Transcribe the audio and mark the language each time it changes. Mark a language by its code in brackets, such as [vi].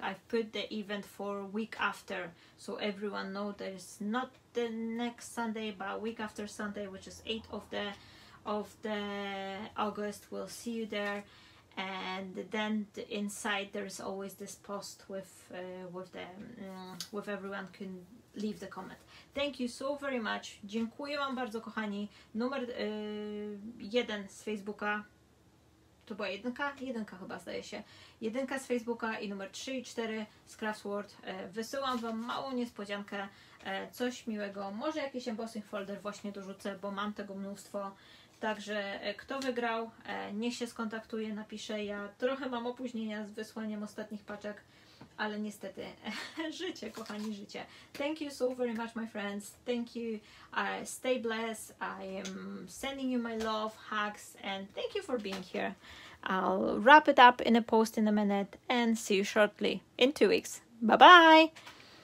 [en] I've put the event for week after, so everyone know that it's not the next Sunday, but week after Sunday, which is 8th of August, we'll see you there. and then the inside there is always this post with everyone can leave the comment. Thank you so very much. [pl] Dziękuję wam bardzo, kochani. Numer jeden z Facebooka. To była jedynka? Jedynka chyba, zdaje się. Jedynka z Facebooka i numer 3 i 4 z Craftsword. Wysyłam wam małą niespodziankę. Coś miłego. Może jakiś embossing folder właśnie dorzucę, bo mam tego mnóstwo. Także kto wygrał, niech się skontaktuje, napisze. Ja trochę mam opóźnienia z wysłaniem ostatnich paczek, ale niestety życie, kochani, życie. [en] Thank you so very much, my friends. Thank you. Stay blessed. I am sending you my love, hugs, and thank you for being here. I'll wrap it up in a post in a minute and see you shortly in 2 weeks. Bye-bye.